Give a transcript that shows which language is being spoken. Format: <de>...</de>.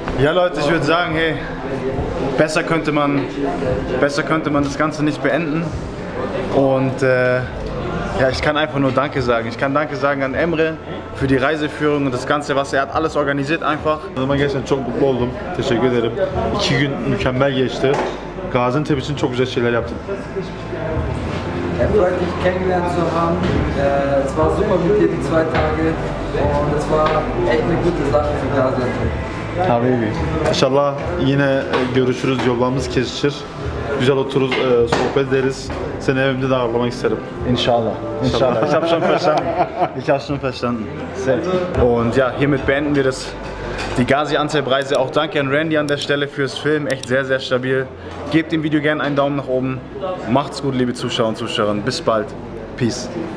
<de>Ja, Leute, ich würde sagen, hey, besser könnte man das Ganze nicht beenden. Und ja, ich kann einfach nur Danke sagen. Ich kann Danke sagen an Emre für die Reiseführung und das Ganze, was er hat, alles organisiert einfach.</de> <tr>Also ben gerçekten çok mutlu oldum. Teşekkür ederim. İki gün mükemmel geçti. Gaziantep için çok güzel şeyler yaptım.</tr> <de>Erfreut dich kennengelernt zu haben. Es war super mit dir die zwei Tage und es war echt eine gute Sache für Gaziantep.</de> <tr>Habibi. İnşallah yine görüşürüz, yollarımız kesişir. Güzel otururuz, sohbet ederiz. Seni evimde de ağırlamak isterim. İnşallah. İnşallah.</tr> <de>Ich hab schon verstanden. Ich hab schon verstanden. Und ja, hiermit beenden wir das. Die Gaziantep-Reise, auch danke an Randy an der Stelle fürs Film, echt sehr, sehr stabil. Gebt dem Video gerne einen Daumen nach oben. Macht's gut, liebe Zuschauer und Zuschauerinnen. Bis bald. Peace.</de>